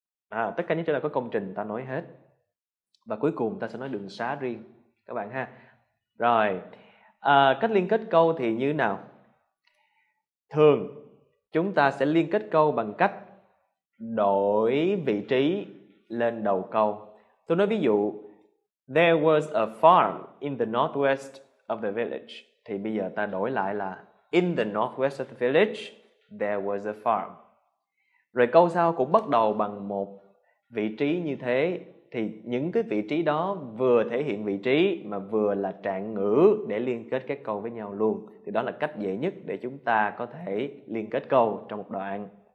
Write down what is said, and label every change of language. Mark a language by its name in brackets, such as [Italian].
[Vietnamese] Tất cả những chỗ nào có công trình ta nói hết. Và cuối cùng ta sẽ nói đường xá riêng các bạn ha. Rồi, cách liên kết câu thì như nào? Thường chúng ta sẽ liên kết câu bằng cách đổi vị trí lên đầu câu. Tôi nói ví dụ, [English] there was a farm in the northwest of the village. [Vietnamese] Thì bây giờ ta đổi lại là [English] in the northwest of the village there was a farm. [Vietnamese] Rồi câu sau cũng bắt đầu bằng một vị trí như thế, thì những cái vị trí đó vừa thể hiện vị trí mà vừa là trạng ngữ để liên kết các câu với nhau luôn. Thì đó là cách dễ nhất để chúng ta có thể liên kết câu trong một đoạn.